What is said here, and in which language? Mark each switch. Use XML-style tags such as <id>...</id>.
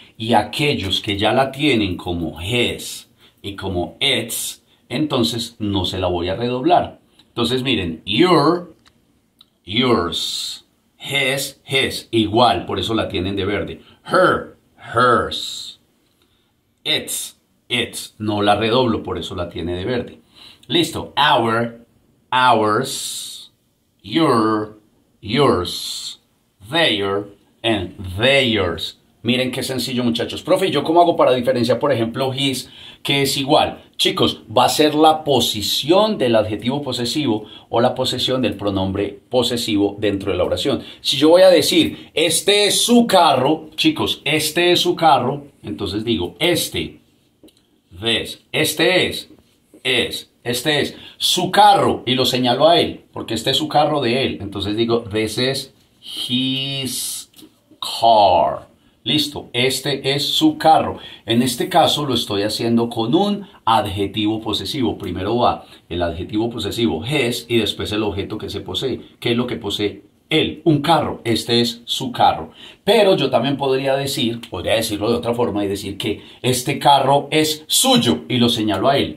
<es>Y aquellos que ya la tienen como his y como its, entonces no se la voy a redoblar. Entonces, miren, your, yours, his, his, igual, por eso la tienen de verde. Her, hers, its, its, no la redoblo, por eso la tiene de verde. Listo, our, ours, your, yours, their, and theirs. Miren qué sencillo, muchachos. Profe, ¿yo cómo hago para diferenciar, por ejemplo, his, que es igual? Chicos, va a ser la posición del adjetivo posesivo o la posesión del pronombre posesivo dentro de la oración. Si yo voy a decir, este es su carro, chicos, este es su carro, entonces digo, este, this, este es, este es su carro, y lo señalo a él, porque este es su carro de él. Entonces digo,</es> <en>this is his car.</en> <es>Listo, este es su carro. En este caso lo estoy haciendo con un adjetivo posesivo. Primero va el adjetivo posesivo, his, y después el objeto que se posee. ¿Qué es lo que posee? Él, un carro. Este es su carro. Pero yo también podría decirlo de otra forma y decir que este carro es suyo, y lo señalo a él.</es>